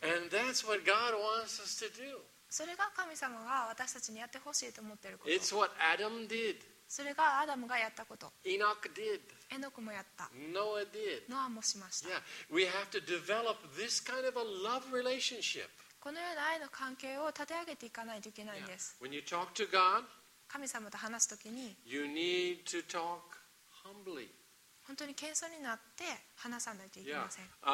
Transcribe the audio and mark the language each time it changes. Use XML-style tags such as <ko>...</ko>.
<en>And that's what God wants us to do.</en> <ja>それが神様が私たちにやってほしいと思ってること。</ja> <en>It's what Adam did.</en> <ja>それがアダムがやったこと。</ja> <en>Enoch did.</en> <ja>エノクもやった。</ja> <en>Noah did.</en> <ja>ノアもしました。</ja> <en>Yeah, we have to develop this kind of a love relationship.</en> <ja>このような愛の関係を立て上げていかないといけないんです。</ja> <en>Yeah. When you talk to God.</en> <ja>神様と話すときに</ja> <en>you need to talk humbly.</en> <ja>本当に謙遜になって話さないといけません。</ja>